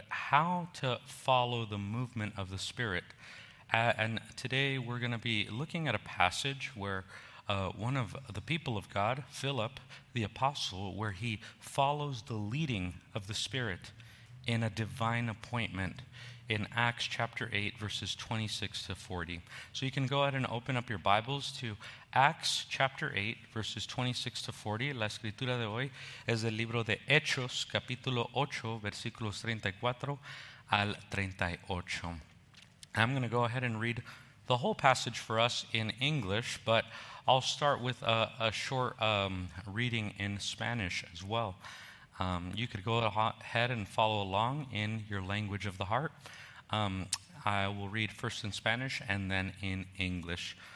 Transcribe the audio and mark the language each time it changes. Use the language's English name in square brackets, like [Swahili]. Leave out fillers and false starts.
[English] how to follow the movement of the Spirit. And today we're going to be looking at a passage where one of the people of God, Philip, the apostle, where he follows the leading of the Spirit in a divine appointment in Acts chapter 8, verses 26 to 40. So you can go ahead and open up your Bibles to Acts chapter 8, verses 26 to 40. [Spanish] La escritura de hoy es el libro de Hechos, capítulo 8, versículos 34 al 38. [English] I'm going to go ahead and read the whole passage for us in English, but I'll start with a short reading in Spanish as well. You could go ahead and follow along in your language of the heart. I will read first in Spanish and then in English.